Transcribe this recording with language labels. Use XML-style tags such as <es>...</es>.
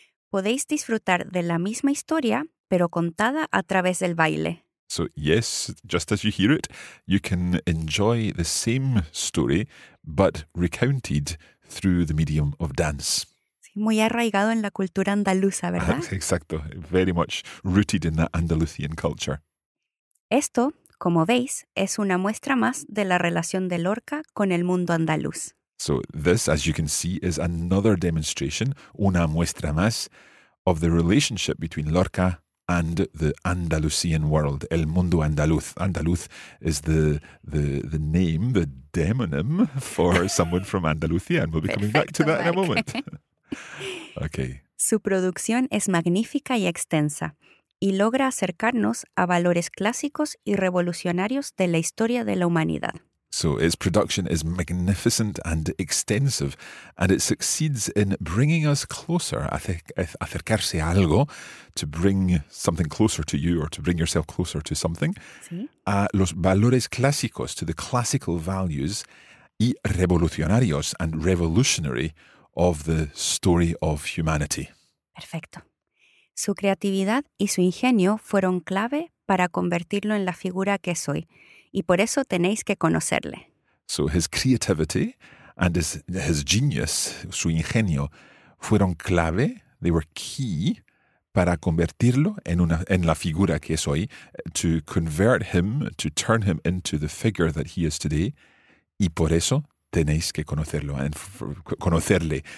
<es>Podéis disfrutar de la misma historia, pero contada a través del baile.</es> <en>So yes, just as you hear it, you can enjoy the same story, but recounted through the medium of dance.</en> <es>Sí, muy arraigado en la cultura andaluza, ¿verdad?</es> <en>Exacto, very much rooted in that Andalusian culture.</en> <es>Esto, como veis, es una muestra más de la relación de Lorca con el mundo andaluz.</es> <en>So this, as you can see, is another demonstration,</en> <es>una muestra más,</es> <en>of the relationship between Lorca and the Andalusian world,</en> <es>el mundo andaluz.</es> <en>Andaluz is the name, the demonym for someone from Andalucía, and we'll be coming back to that in a moment. Okay.</en> <es>Su producción es magnífica y extensa, y logra acercarnos a valores clásicos y revolucionarios de la historia de la humanidad.</es> <en>So its production is magnificent and extensive, and it succeeds in bringing us closer,</en> <es>acercarse a algo,</es> <en>to bring something closer to you or to bring yourself closer to something,</en> <es>¿sí? a los valores clásicos,</es> <en>to the classical values,</en> <es>y revolucionarios</es> <en>and revolutionary of the story of humanity.</en> <es>Perfecto. Su creatividad y su ingenio fueron clave para convertirlo en la figura que es hoy, y por eso tenéis que conocerle.</es> <en>So his creativity and his genius,</en> <es>su ingenio, fueron clave,</es> <en>they were key,</en> <es>para convertirlo en la figura que es hoy,</es> <en>to convert him, to turn him into the figure that he is today,</en> <es>y por eso tenéis que conocerlo,</es> <en>and conocerle.</en>